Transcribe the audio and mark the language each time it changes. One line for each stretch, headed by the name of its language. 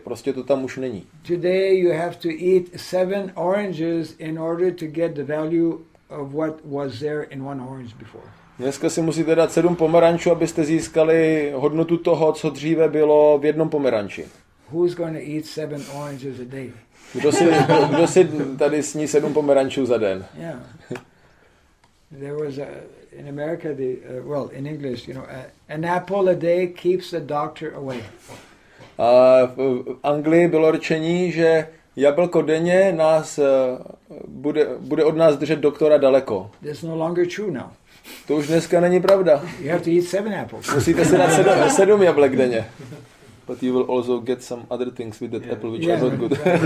Czech: Prostě to tam už není.
English: Today you have to eat 7 oranges in order to get the value of what was there in one orange before.
Czech: Dneska si musíte dát 7 pomerančů, abyste získali hodnotu toho, co dříve bylo v jednom pomeranči.
English: Who's going to eat 7 oranges a day?
Czech: Kdo si tady sní 7 pomerančů za den?
English: Yeah. There was a in America, the well, in English, you know, an apple a day keeps the doctor away.
Czech: V Anglii bylo řečení, že jablko denně nás bude od nás držet doktora daleko.
English: That's no longer true now.
Czech: To už dneska není pravda.
English: You have to eat 7 apples.
Czech: Musíte si dát 7 jablek denně.
English: But you will also get some other things with that apple, which are not good.